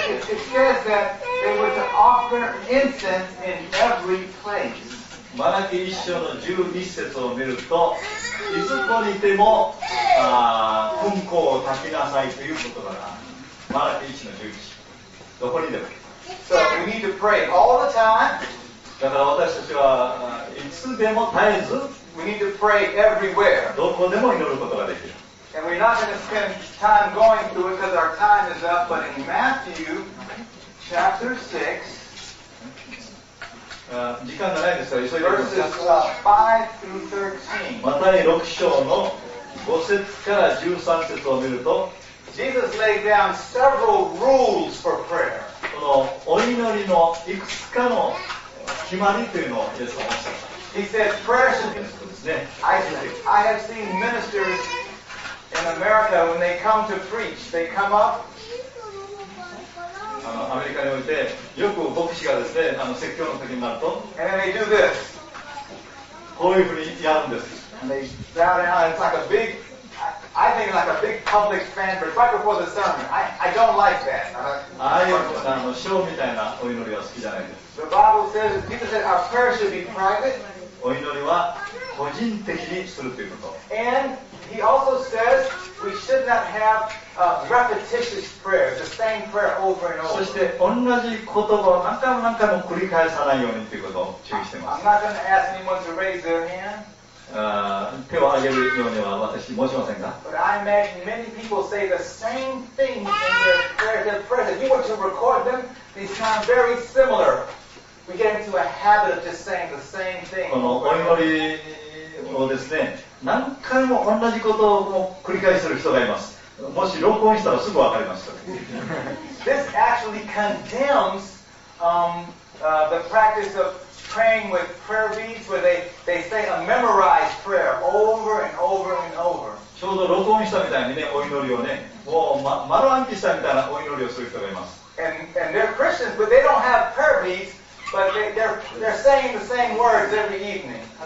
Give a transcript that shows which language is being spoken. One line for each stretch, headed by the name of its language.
English: It says that they were to offer incense in every place.
Japanese: マラキ1章の11節を見るといつこにても訓講を炊きなさいということから、マラキ1の11どこにでも。
English: So we need to pray all the time.
Japanese: だから私たちはいつでも絶えず、
English: we need to pray everywhere.
Japanese: どこでも祈ることができる。
English: And we're not going to spend time going through it because our time is up, but in Matthew chapter 6, verses 5 through 13,
Japanese: マタイ6章の5節から13節を見ると、
English: Jesus laid down several rules for prayer.
Japanese: このお祈りのいくつかの決まりというのをイエスは話しました。
English: He said, prayer should be I have seen ministers in America, when they come to preach, they come up.
Japanese: アメリカにおいてよく牧師がですね、説教の時になると、
English: and they do this.
Japanese: こういうふうにやるんです。
English: And they bow down. It's like a big, I think like a big public fanfare right before the sermon. I don't like that.
Japanese: ああいうショーみたいなお祈りは好きじゃないです。
English: The Bible says, people said our prayer should be private.
Japanese: お祈りは個人的にするということ。
English: And he also says we should not have repetitious prayer, the same prayer over and over.
Japanese: そして同じ言葉を何回も何回も繰り返さないようにということを注意しています。
English: I'm not going to ask anyone to raise their hand.
Japanese: 手を挙げるようには私申しませんが。
English: But I imagine many people say the same thing in their prayer. Their prayer. If you were to record them, they sound very similar. We get into a habit of just saying the same thing.
Japanese: このお祈りをですね、何回も同じことを繰り返する人がいます。もし録音したらすぐ分かります。
English: This actually condemns the practice of praying with prayer beads where they say a memorized prayer over and over and over.
Japanese: ちょうど録音したみたいにね、お祈りをね、もう丸暗記したみたいなお祈りをする人がいます。
English: And they're Christians, but they don't have prayer beads. But they're saying the same words every evening.